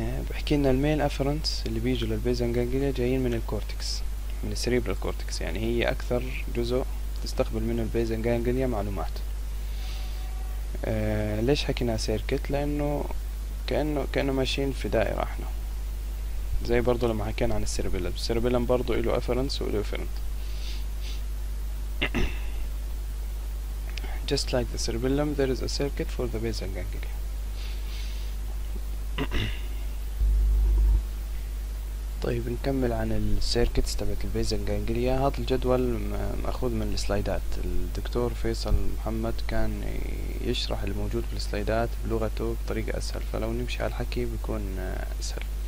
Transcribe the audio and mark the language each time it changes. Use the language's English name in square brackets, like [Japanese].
[Arabic] بحكي لنا المين افرنس اللي بيجوا للبيزن جانجليا جايين من الكورتكس، من السريبرال كورتكس، يعني هي اكثر جزء تستقبل منه البيزن جانجليا معلومات. ليش حكينا سيركت؟ لانه كانه ماشيين في دائره، احنا زي برضو لما حكينا عن السيربيلم، السيربيلم برضو له افرنس وله افرنت. [English] Just like the cerebellum, there is a circuit for the basal ganglia. [Arabic] طيب نكمل عن السيركتس تبعت البيزن جانجليا. هذا الجدول مأخوذ من السلايدات، الدكتور فيصل محمد كان يشرح الموجود بالسلايدات بلغته بطريقة أسهل، فلو نمشي على الحكي بيكون أسهل.